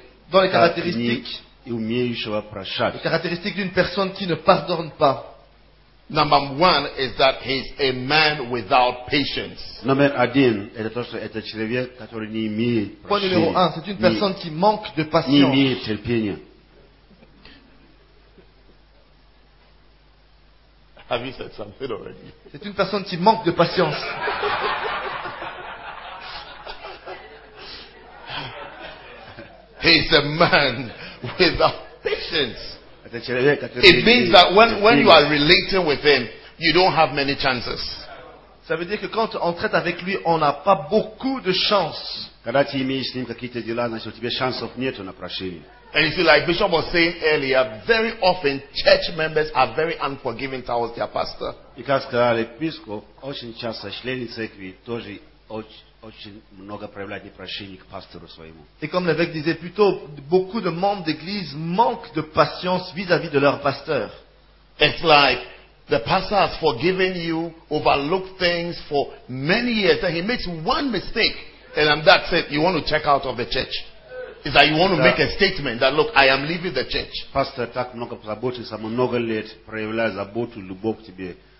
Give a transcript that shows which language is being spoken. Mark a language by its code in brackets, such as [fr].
[fr] Dans les caractéristiques. Les caractéristiques d'une personne qui ne pardonne pas. [en] Number one is that he's a man without patience. [ru] Number один это то, что это человек, который не имеет. [fr] Point numéro un, c'est une personne qui manque de patience. [ru] Не имеет терпения. [en] Have you said something already? [fr] C'est une personne qui manque de patience. [en] He's a man without patience. It means that when you are relating with him, you don't have many chances. [fr] Ça veut dire que quand on traite avec lui, on n'a pas beaucoup de chances. [ru] Когда ты имеешь с ним какие-то дела, значит у тебя шансов нету на прощение. [en] And you see, like Bishop was saying earlier, very often church members are very unforgiving towards their pastor. [ru] И как сказал епископ, очень часто члены церкви тоже очень много проявляют непрощение к пастору своему. [fr] Et comme l'évêque disait plus tôt, beaucoup de membres d'église manquent de patience vis-à-vis de leur pasteur. [en] It's like the pastor has forgiven you, overlooked things for many years, and he makes one mistake, and that's it. You want to check out of the church. It's like you want to make a statement that look, I am leaving the church. [ru] Пастор так много позаботился, много лет проявляет заботу, любовь к тебе.